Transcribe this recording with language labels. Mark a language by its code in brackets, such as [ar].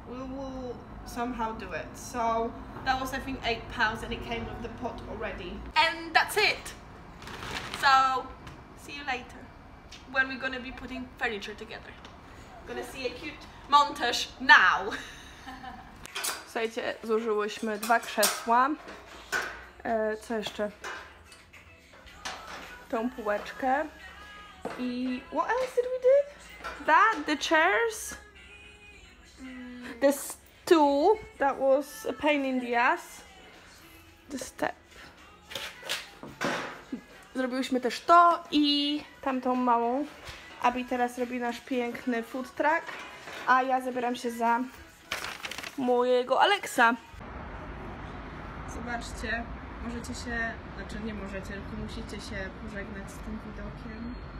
[en] We will somehow do it. So that was, I think, £8 and it came with the pot already. And that's it. So see you later when we're gonna be putting furniture together. Gonna see a cute montage now. [pl] Słuchajcie, zużyłyśmy dwa krzesła. Co jeszcze? Tą półeczkę. I [en] what else did we do? That, the chairs. The stool. That was a pain in the ass. The step. [pl] Zrobiłyśmy też to i tamtą małą. Abby teraz robi nasz piękny food truck. A ja zabieram się za mojego Alexa. Zobaczcie, możecie się, znaczy nie możecie, tylko musicie się pożegnać z tym widokiem.